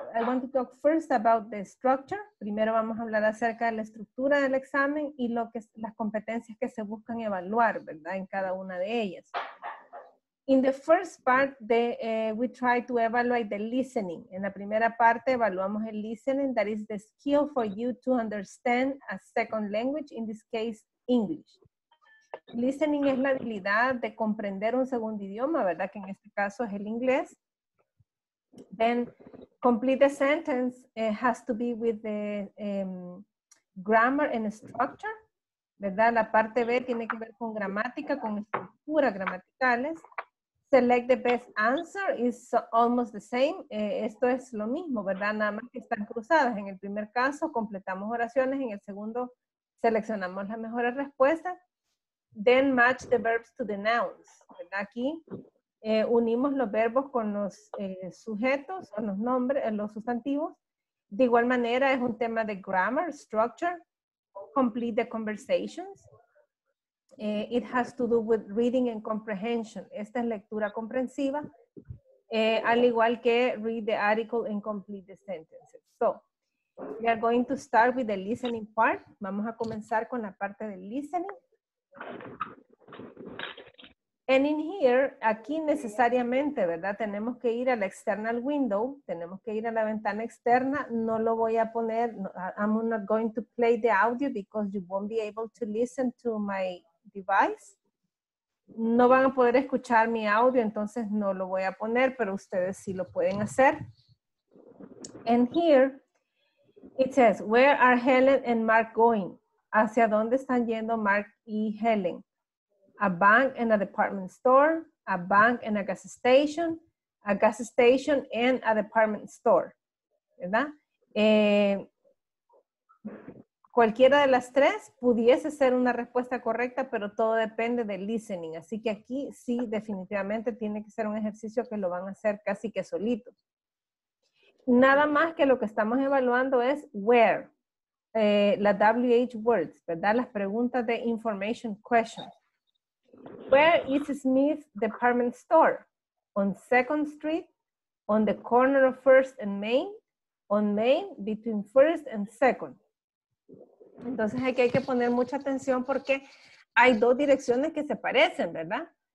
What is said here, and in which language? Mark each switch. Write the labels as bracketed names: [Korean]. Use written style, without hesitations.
[English] I want to talk first about the structure. [Spanish] Primero vamos a hablar acerca de la estructura del examen y lo que las competencias que se buscan evaluar, ¿verdad? En cada una de ellas. [English] In the first part, we try to evaluate the listening. [Spanish] En la primera parte, evaluamos el listening. [English] That is the skill for you to understand a second language, in this case, English. [Spanish] Listening es la habilidad de comprender un segundo idioma, ¿verdad? Que en este caso es el inglés. [English] Then, complete the sentence. It has to be with the grammar and structure, ¿verdad? [Spanish] La parte B tiene que ver con gramática, con estructuras gramaticales. [English] Select the best answer is almost the same. [Spanish] Esto es lo mismo, ¿verdad? Nada más que están cruzadas. En el primer caso, completamos oraciones. En el segundo, seleccionamos las mejores respuestas. [English] Then match the verbs to the nouns, [Spanish] ¿verdad? Aquí unimos los verbos con los sujetos o los nombres, los sustantivos. De igual manera, es un tema de grammar, structure. [English] Complete the conversations. It has to do with reading and comprehension. [Spanish] Esta es lectura comprensiva, al igual que [English] read the article and complete the sentences. So, we are going to start with the listening part. [Spanish] Vamos a comenzar con la parte del listening. [English] And in here, [Spanish] aquí necesariamente, ¿verdad? Tenemos que ir a la external window. Tenemos que ir a la ventana externa. No lo voy a poner. [English] I'm not going to play the audio because you won't be able to listen to my device. [Spanish] No van a poder escuchar mi audio, entonces no lo voy a poner, pero ustedes sí lo pueden hacer. [English] And here it says, where are Helen and Mark going? [Spanish] ¿Hacia dónde están yendo Mark y Helen? [English] A bank and a department store, a bank and a gas station and a department store. [Spanish] ¿Verdad? Cualquiera de las tres pudiese ser una respuesta correcta, pero todo depende del listening. Así que aquí sí, definitivamente tiene que ser un ejercicio que lo van a hacer casi que solitos. Nada más que lo que estamos evaluando es where, la WH words, ¿verdad? Las preguntas de information questions. [English] Where is Smith's department store? On 2nd Street, on the corner of 1st and Main, on Main, between 1st and 2nd. [Spanish] Entonces aquí hay que poner mucha atención porque hay dos direcciones que se parecen, ¿verdad?